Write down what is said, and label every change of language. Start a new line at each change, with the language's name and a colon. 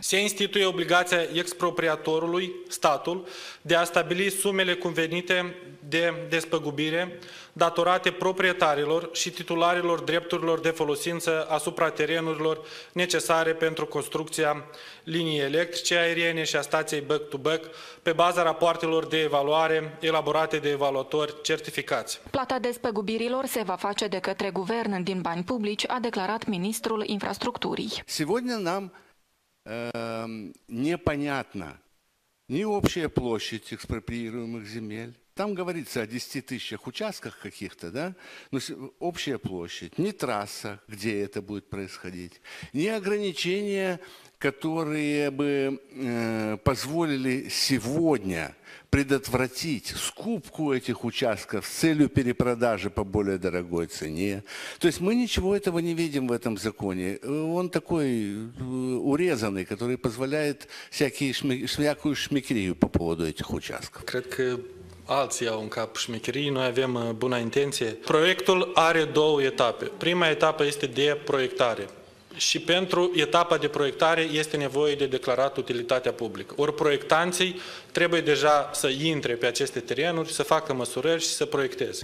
Romanian: Se instituie obligația expropriatorului, statul, de a stabili sumele convenite de despăgubire datorate proprietarilor și titularilor drepturilor de folosință asupra terenurilor necesare pentru construcția liniei electrice aeriene și a stației Back-to-Back pe baza rapoartelor de evaluare elaborate de evaluatori certificați. Plata despăgubirilor se va face de către guvern din bani publici, a declarat ministrul infrastructurii.
Russian: Сегодня нам непонятно ни общая площадь экспроприируемых земель, там говорится о 10 тысячах участках каких-то, да, но общая площадь, ни трасса, где это будет происходить, ни ограничения, которые бы позволили сегодня предотвратить скупку этих участков с целью перепродажи по более дорогой цене. То есть мы ничего этого не видим в этом законе. Он такой урезанный, который позволяет всякую шмекерию по поводу этих участков.
Romanian: Alții au în cap șmecherii, noi avem bună intenție. Proiectul are 2 etape. Prima etapă este de proiectare. Și pentru etapa de proiectare este nevoie de declarat utilitatea publică. Ori proiectanții trebuie deja să intre pe aceste terenuri, să facă măsurări și să proiecteze.